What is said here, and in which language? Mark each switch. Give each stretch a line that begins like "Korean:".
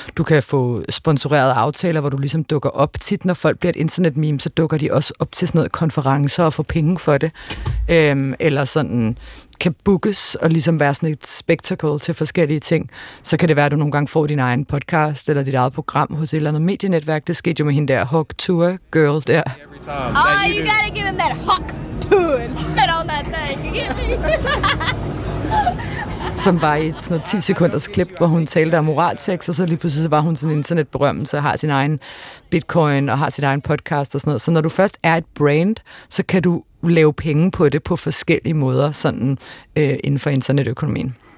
Danish: Du kan få sponsorerede aftaler, hvor du ligesom dukker op. Tit, når folk bliver et internet-meme, så dukker de også op til sådan noget konferencer og får penge for det. Eller sådan kan bookes og ligesom være sådan et spectacle til forskellige ting, så kan det være, at du nogle gange får din egen podcast eller dit eget program hos et eller andet medienetværk. Det skete jo med hende der, Hawk Tour Girl der.
English: Oh, you gotta give him that Hawk Tour and spit on that thing, you get me?
Danish: Som var i et sådan 10 sekunders klip, hvor hun talte om moralsex, og så lige pludselig så var hun sådan en internetberømmelse og har sin egen bitcoin og har sin egen podcast og sådan noget. Så når du først er et brand, så kan du lave penge på det på forskellige måder sådan, inden for internetøkonomien.